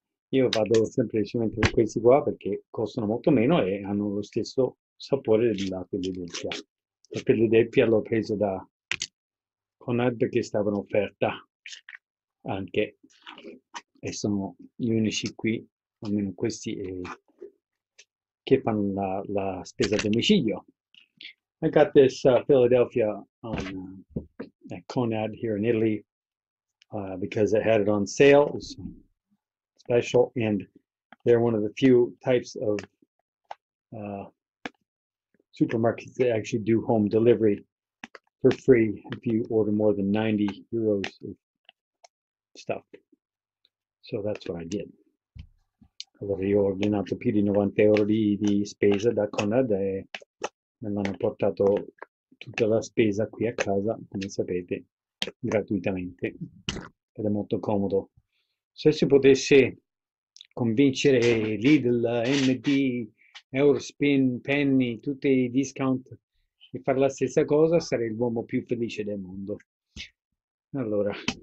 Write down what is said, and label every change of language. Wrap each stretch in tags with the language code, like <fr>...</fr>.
<it>Io vado semplicemente con questi qua perché costano molto meno e hanno lo stesso sapore della Philadelphia. La Philadelphia l'ho preso da Conad che stava in offerta anche e sono gli unici qui, almeno questi, che fanno la spesa a domicilio.</it> <en>I got this Philadelphia on at Conad here in Italy because I had it on sale, it was special, and They're one of the few types of supermarkets that actually do home delivery for free if you order more than 90 euros of stuff. So that's what I did.</en> <it>Allora io ho ordinato più di 90 euro di spesa da Conad e me l'hanno portato tutta la spesa qui a casa, come sapete, gratuitamente. Ed è molto comodo. Se si potesse convincere Lidl, MD, Eurospin, Penny, tutti i discount di fare la stessa cosa, sarei l'uomo più felice del mondo. Allora.</it>